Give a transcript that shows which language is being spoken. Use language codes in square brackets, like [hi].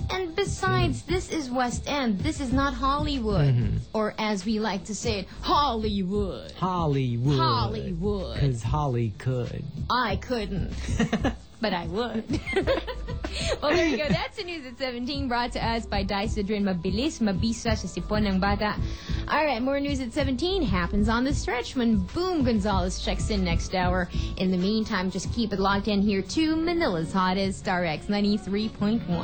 [en] And besides, mm. this is West End. This is not Hollywood. Mm-hmm. Or as we like to say it, Hollywood. Hollywood. Hollywood. Because Holly could. I couldn't. But I would. Well, there you go. That's the news at 17 brought to us by Dicedrin. [tl] Mabilis, mabisa sa sipon ng bata. [en] All right, more news at 17 happens on the stretch when Boom Gonzalez checks in next hour. In the meantime, just keep it locked in here to Manila's hottest, Star X 93.1.